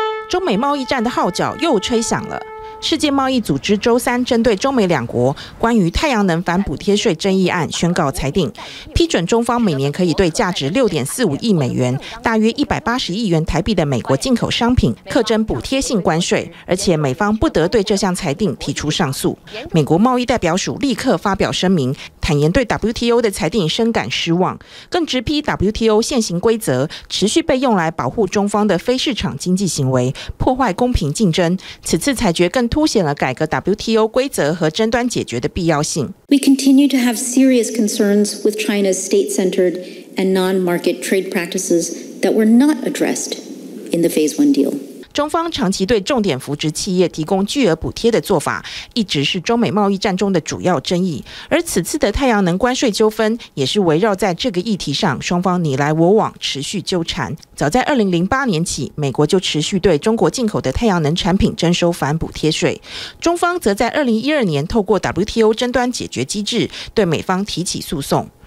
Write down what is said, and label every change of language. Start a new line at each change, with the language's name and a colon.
Chinese: 中美贸易战的号角又吹响了。世界贸易组织周三针对中美两国关于太阳能反补贴税争议案宣告裁定，批准中方每年可以对价值$6.45亿，大约180亿元台币的美国进口商品课征补贴性关税，而且美方不得对这项裁定提出上诉。美国贸易代表署立刻发表声明，坦言对 WTO 的裁定深感失望，更直批 WTO 现行规则持续被用来保护中方的非市场经济行为，破坏公平竞争。此次裁决更凸显了改革 WTO 规则和争端解决的必要性。
English: We continue to have serious concerns with China's state-centered and non-market trade practices that were not addressed in the Phase One deal.
Chinese: 中方长期对重点扶植企业提供巨额补贴的做法，一直是中美贸易战中的主要争议。而此次的太阳能关税纠纷，也是围绕在这个议题上，双方你来我往，持续纠缠。早在2008年起，美国就持续对中国进口的太阳能产品征收反补贴税，中方则在2012年透过 WTO 争端解决机制，对美方提起诉讼。